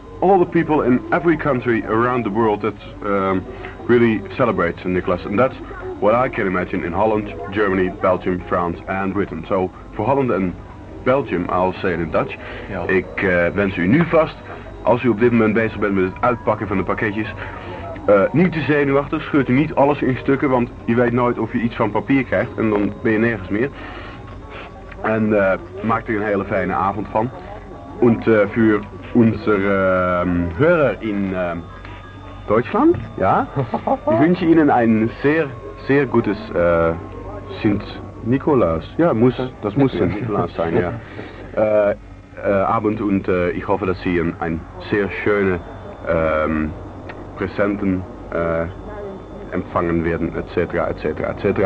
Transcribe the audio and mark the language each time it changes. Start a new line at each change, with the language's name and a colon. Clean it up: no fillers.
English: all the people in every country around the world that really celebrate St. Nicholas. And that's what I can imagine in Holland, Germany, Belgium, France and Britain. So for Holland and Belgium, I'll say it in Dutch.
Dutch: Ja. Ik wens u nu vast, als u op dit moment bezig bent met het uitpakken van de pakketjes, niet te zenuwachtig, scheurt u niet alles in stukken, want je weet nooit of je iets van papier krijgt en dan ben je nergens meer. En maak er een hele fijne avond van.
German: Und für unsere Hörer in Deutschland, ja, ich wünsche Ihnen ein sehr, sehr gutes Sint Nikolaus. Ja, das muss Sint Nikolaus sein, ja. Abend und ich hoffe, dass Sie ein sehr schöne Präsenten empfangen werden, etc., etc., etc.